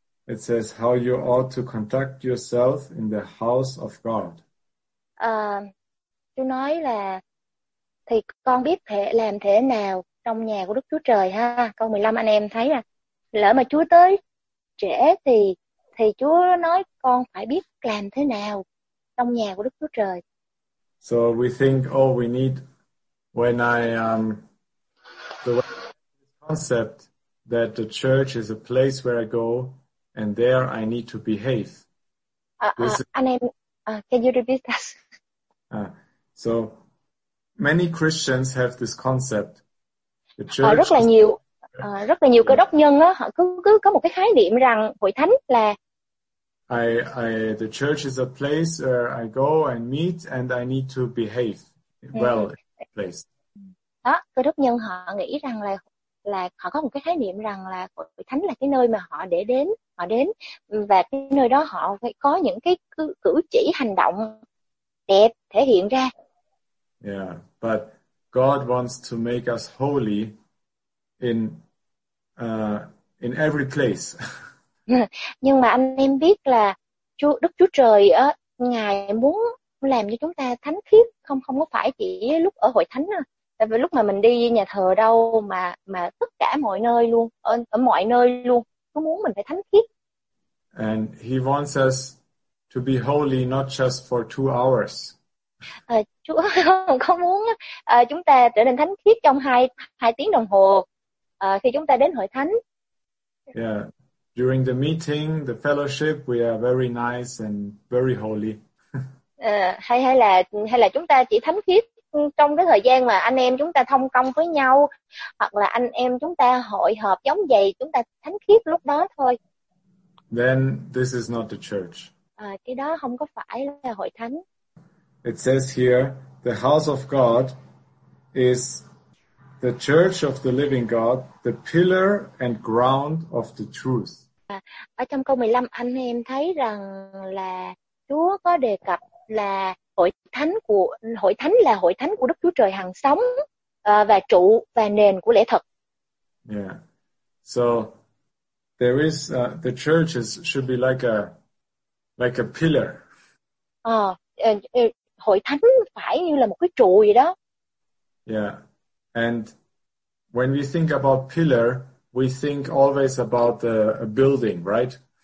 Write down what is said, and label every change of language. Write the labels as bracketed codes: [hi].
[en] It says how you ought to conduct yourself in the house of God. [vi] Chú nói là thì con biết thể làm thế nào trong nhà của Đức Chúa Trời ha. Câu 15 anh em thấy là lỡ mà Chúa tới trễ thì Chúa nói con phải biết làm thế nào trong nhà của Đức Chúa Trời. [en] So we think, oh, we need when I the concept that the church is a place where I go. And there I need to behave. Can you repeat that? So many Christians have this concept. The church [vi] rất là nhiều cơ đốc nhân á, họ cứ có một cái khái niệm rằng hội thánh là [en] I the church is a place where I go and meet and I need to behave well in the place. [vi] Đó, cơ đốc nhân họ nghĩ rằng là họ có một cái khái niệm rằng là hội thánh là cái nơi mà họ đến và cái nơi đó họ phải có những cái cử chỉ hành động đẹp thể hiện ra. [en] Yeah, but God wants to make us holy in every place. [vi] Nhưng mà anh em biết là Chúa Đức Chúa Trời á, Ngài muốn làm cho chúng ta thánh khiết, không có phải chỉ lúc ở hội thánh đâu. Tại vì lúc mà mình đi nhà thờ đâu mà tất cả mọi nơi luôn, ở mọi nơi luôn, Chúa muốn mình phải thánh khiết. [en] And he wants us to be holy not just for 2 hours. [vi] Chúa không muốn chúng ta trở nên thánh khiết trong 2 tiếng đồng hồ khi chúng ta đến hội thánh. [en] Yeah. During the meeting, the fellowship, we are very nice and very holy. [vi] hay là chúng ta chỉ thánh khiết trong cái thời gian mà anh em chúng ta thông công với nhau, hoặc là anh em chúng ta hội họp giống vậy, chúng ta thánh khiết lúc đó thôi. [en] Then this is not the church. [vi] Cái đó không có phải là hội thánh. [en] It says here, the house of God is the church of the living God, the pillar and ground of the truth. [vi] Ở trong câu 15 anh em thấy rằng là Chúa có đề cập là hội thánh của Đức Chúa Trời hằng sống và trụ và nền của lẽ thật. [en] Yeah. So there is the church should be like a pillar. [vi] Hội thánh phải như là một cái trụ vậy đó. [en] Yeah. And when we think about pillar, we think always about a building, right?